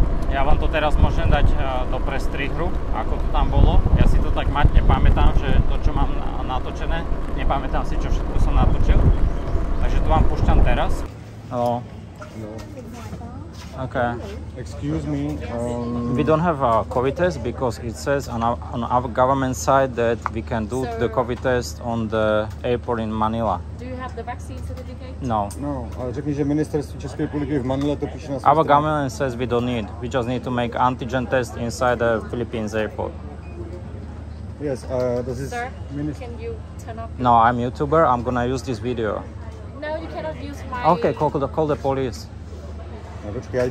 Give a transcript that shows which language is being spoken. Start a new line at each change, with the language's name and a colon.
Slovak: Ja vám to teraz môžem dať do prestrihru, ako to tam bolo. Ja si to tak mať nepamätám, že to, čo mám natočené, nepamätám si, čo všetko som natočil. Takže to vám púšťam teraz.
English: Hello. No. Okay. Excuse me. We don't have a COVID test because it says on our government side that we can do so the COVID test on the airport in Manila. Do you have the vaccine certificate? No.
Czech: No, ale řekni, že ministerstvo České republiky v Manile to píše na
English: svojom. Our government says we don't need. We just need to make antigen test inside the Philippines airport. Yes, this is... Can you turn off? No, I'm YouTuber. I'm gonna use this video. No, you cannot use my... Okay, call the police.
Czech: Počkej,